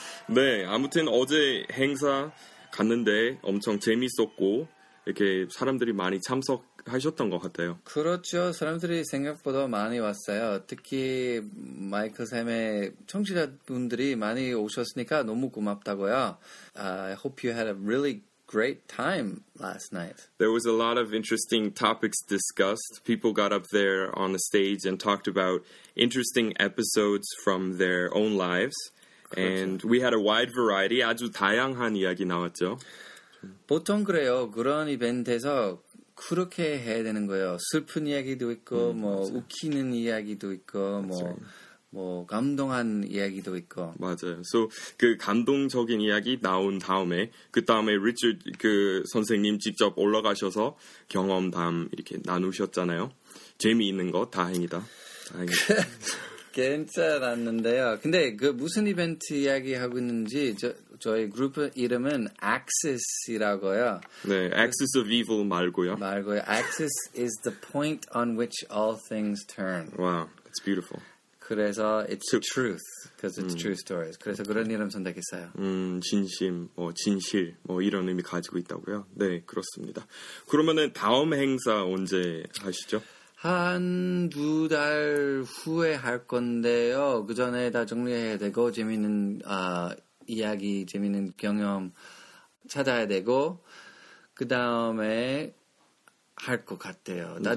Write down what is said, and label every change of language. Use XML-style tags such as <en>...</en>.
<ko>네, 아무튼 어제 행사 갔는데 엄청 재밌었고 이렇게 사람들이 많이 참석하셨던 것 같아요. 그렇죠. 사람들이 생각보다 많이 왔어요. 특히 마이클쌤의 청취자분들이 많이 오셨으니까 너무 고맙다고요.</ko> <en>I hope you had a really great time last night. There was a lot of interesting topics discussed. People got up there on the stage and talked about interesting episodes from their own lives. And we had a wide variety,</en> <ko>아주 다양한 이야기 나왔죠. 보통 그래요. 그런 이벤트에서 그렇게 해야 되는 거예요. 슬픈 이야기도 있고, 뭐 맞아요. 웃기는 이야기도 있고, 뭐 감동한 이야기도 있고. 맞아요. So 그 감동적인 이야기 나온 다음에, 그 다음에 리처드 그 선생님 직접 올라가셔서 경험담 이렇게 나누셨잖아요. 재미있는 거 다행이다. 다행이다. 괜찮았는데요. 근데 그 무슨 이벤트 이야기하고 있는지 저희 그룹 이름은 Axis이라고요. 네, Axis of Evil 말고요. 말고요.</ko> <en>Axis is the point on which all things turn. Wow, it's beautiful.</en> <ko>그래서</ko> <en>it's so, truth, because it's true stories.</en> <ko>그래서 그런 이름 선택했어요. 진심, 뭐 진실, 뭐 이런 의미 가지고 있다고요. 네, 그렇습니다. 그러면은 다음 행사 언제 하시죠? 한두 달 후에 할 건데요. 그 전에 다 정리해야 되고 재미있는 이야기, 재미있는 경험 찾아야 되고 그 다음에 할 것 같아요. 다 네.</ko>